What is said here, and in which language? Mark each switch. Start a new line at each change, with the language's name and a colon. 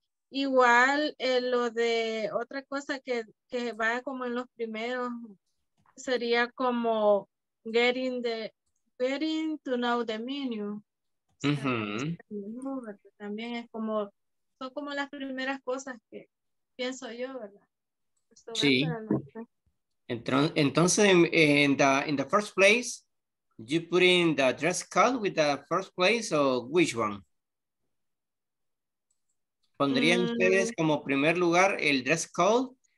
Spanish: Igual lo de otra cosa que va como en los primeros. Sería como
English: getting to know the menu.
Spanish: O sea, uh-huh. También es como, son como las primeras cosas que pienso yo, ¿verdad? Esto sí. Entonces,
English: in the first place, you put in the dress code with the first place or which one?
Spanish: ¿Pondrían ustedes como primer lugar el dress code?